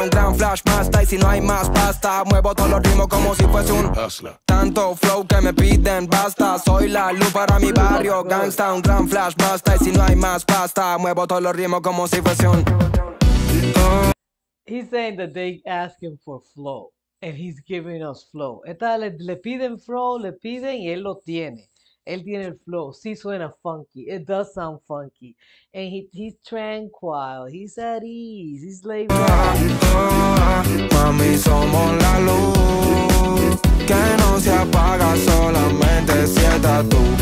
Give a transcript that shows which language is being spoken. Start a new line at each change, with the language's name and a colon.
Spanish: Un gran flash, basta, y si no hay más pasta. Muevo todos los ritmos como si fuese un hustler. Tanto flow que me piden basta. Soy la luz para mi barrio, gangsta. Un gran flash basta y si no hay más pasta. Muevo todos los ritmos como si fuese un.
English: He's saying that they asking for flow and he's giving us flow.
Spanish: Esta le piden flow, le piden y él lo tiene. Él tiene el flow. Sí suena funky.
English: It does sound funky. And he's tranquil. He's at ease. He's laid back.
Spanish: Mami, somos la luz que no se apaga, solamente sienta tú.